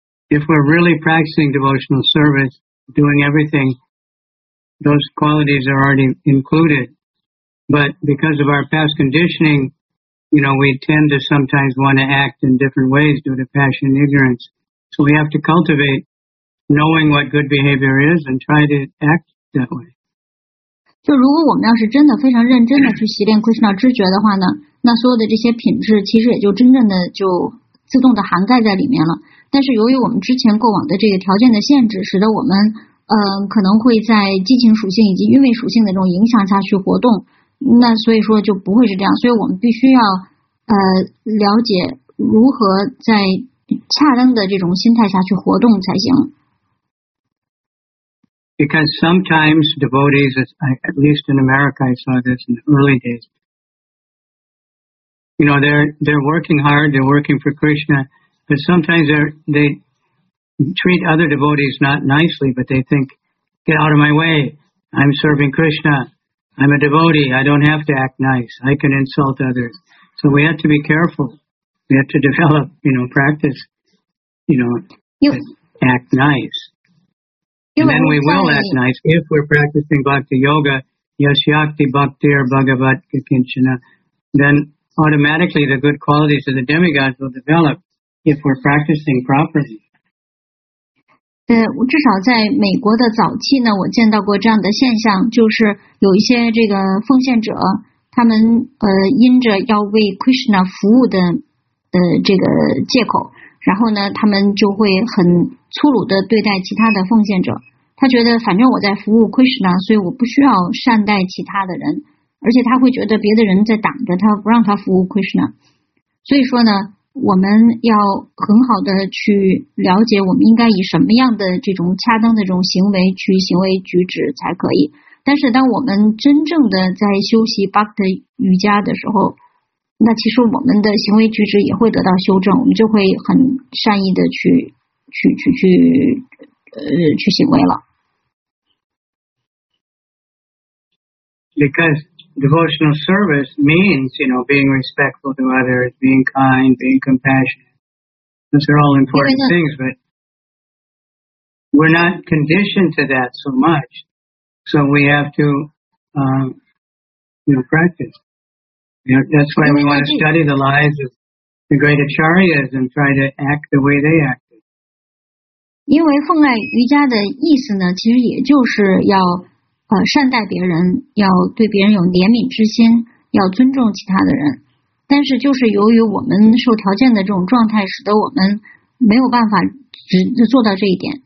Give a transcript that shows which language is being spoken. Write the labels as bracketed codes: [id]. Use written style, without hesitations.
[en] If we're really practicing devotional service, doing everything, those qualities are already included. But because of our past conditioning, you know, we tend to sometimes want to act in different ways due to passion and ignorance. So we have to cultivate knowing what good behavior is and try to act that way. [zh] 就如果我们要是真的非常认真的去习练 Krishna 知觉的话呢，那所有的这些品质其实也就真正的就自动的涵盖在里面了。但是由于我们之前过往的这个条件的限制，使得我们可能会在激情属性以及欲味属性的这种影响下去活动，那所以说就不会是这样。所以我们必须要了解如何在恰当的这种心态下去活动才行。 [en] Because sometimes devotees, at least in America, I saw this in the early days, you know, they're working hard, they're working for Krishna, but sometimes they treat other devotees not nicely, but they think, get out of my way, I'm serving Krishna, I'm a devotee, I don't have to act nice, I can insult others. So we have to be careful, we have to develop, you know, practice, you know, act nice. And then we will act nice if we're practicing bhakti yoga, [sa] yashyakti bhaktir bhagavat kikinchana. [en] Then automatically the good qualities of the demigods will develop if we're practicing properly. [zh] 至少在美国的早期呢，我见到过这样的现象，就是有一些这个奉献者，他们因着要为 Krishna 服务的这个借口。然后呢，他们就会很粗鲁地对待其他的奉献者。他觉得反正我在服务 Krishna， 所以我不需要善待其他的人，而且他会觉得别的人在挡着他，不让他服务 Krishna。所以说呢，我们要很好地去了解我们应该以什么样的这种恰当的这种行为去行为举止才可以。但是当我们真正的在修习 Bhakti 瑜伽的时候，那其实我们的行为举止也会得到修正，我们就会很善意的去行为了。 [en] Because devotional service means, you know, being respectful to others, being kind, being compassionate. Those are all important things, but we're not conditioned to that so much, so we have to, you know, practice. You know, that's why we want to study the lives of the great acharyas and try to act the way they acted. [zh] 因为奉爱瑜伽的意思呢，其实也就是要善待别人，要对别人有怜悯之心，要尊重其他的人。但是就是由于我们受条件的这种状态，使得我们没有办法只做到这一点。